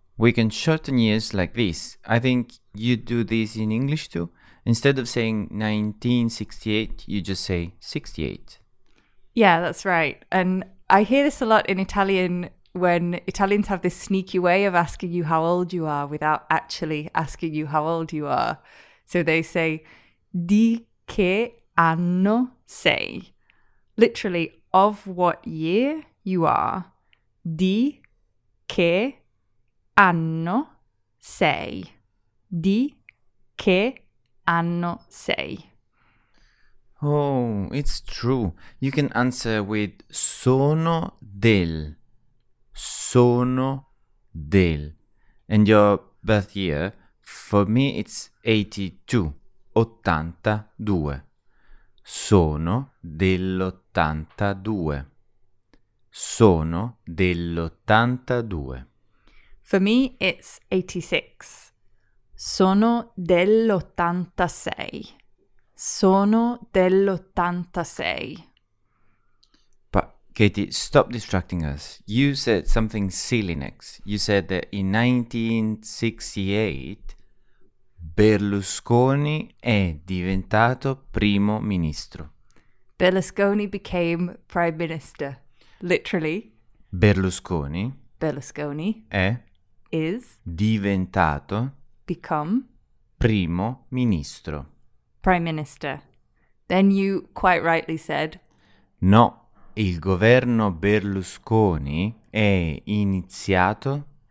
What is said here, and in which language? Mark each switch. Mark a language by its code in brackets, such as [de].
[en] We can shorten years like this. I think you do this in English too. Instead of saying 1968, you just say 68. Yeah, that's right. And I hear this a lot in Italian when Italians have this sneaky way of asking you how old you are without actually asking you how old you are. So they say, [it] di che anno sei? [en] Literally, of what year you are, [it] di che anno sei, di che anno sei. [en] Oh, it's true. You can answer with [it] sono del, sono del. [en] And your birth year, for me it's 82, 82. [it] Sono dell'82. Sono dell'82. [en] For me, it's 86. [it] Sono dell'86. Sono dell'86. [en] But Katie, stop distracting us. You said something silly next. You said that in 1968, [it] Berlusconi è diventato primo ministro. [en] Berlusconi became prime minister. Literally. [it] Berlusconi. [en] Berlusconi. [it] È. [en] Is. [it] Diventato. [en] Become. [it] Primo ministro. [en] Prime minister. Then you quite rightly said. [it] No, Il governo Berlusconi è iniziato?